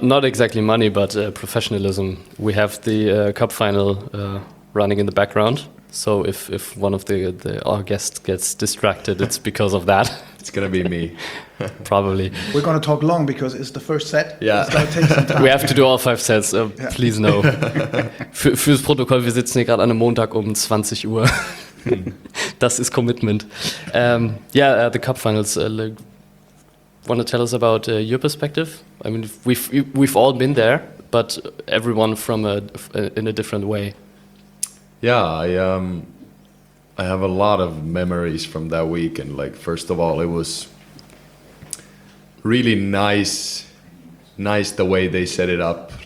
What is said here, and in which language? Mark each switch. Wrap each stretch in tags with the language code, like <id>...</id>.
<en>not exactly money, but professionalism. We have the cup final running in the background. So if one of the our guests gets distracted, it's because of that. It's going to be me. Probably. We're going to talk long because it's the first set. Yeah. It's going to take some time. We have to do all 5 sets. Yeah. Please no.</en> <de>Fürs Protokoll, wir sitzen hier gerade an einem Montag um 20 Uhr. Das ist Commitment.</de> <en>The cup finals. Want to tell us about your perspective? I mean, we've all been there, but everyone from in a different way. Yeah, I have a lot of memories from that week, and like first of all, it was really nice the way they set it up.</en>